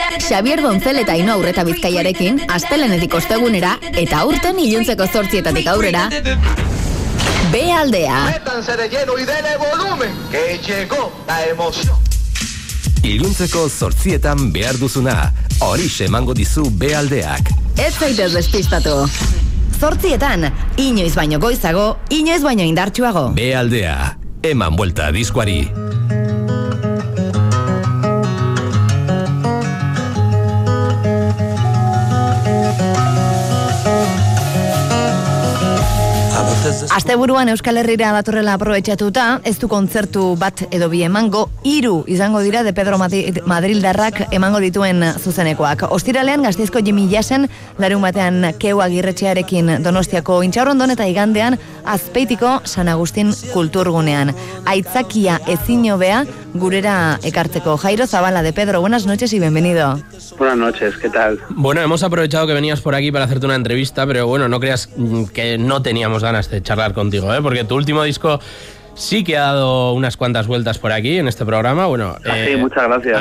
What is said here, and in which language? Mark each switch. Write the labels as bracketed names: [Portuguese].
[Basque] Xabier Gonzel eta Ino Aurreta Bizkaiarekin astelenetik ostegunera eta aurten iluntzeko 8:00 aurrera. B aldea. [Spanish] Métanse de lleno y dele volumen, que llegó la emoción. [Basque] Iluntzeko 8:00 behar duzuna, horixe emango dizu B aldeak. Ez zaitez despistatu. 8:00, inoiz baino goizago, inoiz baino indartsuago. B aldea, eman buelta diskuari. Aste buruan Euskal Herrira datorrela aprobetxatuta, ez du kontzertu bat edo bi emango, hiru izango dira de Pedro Madrildarrak emango dituen zuzenekoak. Ostiralean Gasteizko Jimmy Jazzen, larun batean Keu Agirretxearekin Donostiako Intxaurrondon eta igandean Azpeitiko San Agustin Kulturgunean. Aitzakia ezin hobea gurera ekartzeko. [Spanish] Jairo Zabala de Pedro, buenas noches y bienvenido. Buenas noches, ¿qué tal? Bueno, hemos aprovechado que venías por aquí para hacerte una entrevista, pero bueno, no creas que no teníamos ganas de charlar contigo, ¿eh? Porque tu último disco sí que ha dado unas cuantas vueltas por aquí, en este programa. Bueno, sí, muchas gracias.